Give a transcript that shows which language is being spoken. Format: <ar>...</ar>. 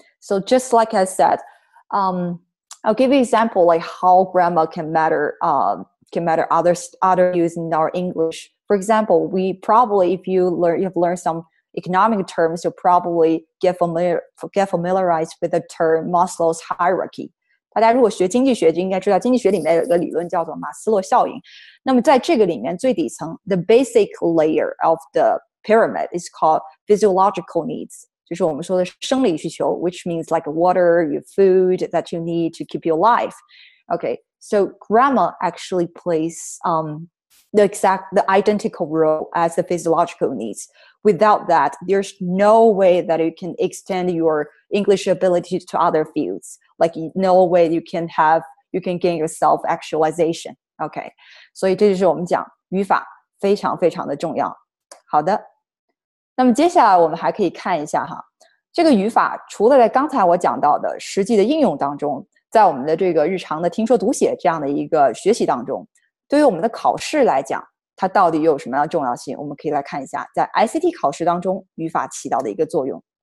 <en>So just like I said, I'll give you an example like how grammar can matter other use in our English. For example, we probably, if you learn, you've learned some economic terms, you'll probably get familiarized with the term Maslow's hierarchy.</en> <zh>大家如果学经济学就应该知道经济学里面有一个理论叫做马斯洛效应。那么在这个里面最底层</zh> <en>the basic layer of the pyramid is called physiological needs,</en> <zh>就是我们说的生理需求</zh> <en>which means like water, your food that you need to keep you alive. Okay, so grammar actually plays the identical role as the physiological needs. Without that, there's no way that you can extend your English ability to other fields. Like, no way you can gain yourself actualization. Okay.</en> <zh>所以这就是我们讲语法非常非常的重要。好的。那么接下来我们还可以看一下哈，这个语法除了在刚才我讲到的实际的应用当中，在我们的这个日常的听说读写这样的一个学习当中，对于我们的考试来讲它到底有什么样的重要性？我们可以来看一下，在 ICT 考试当中，语法起到的一个作用。</zh>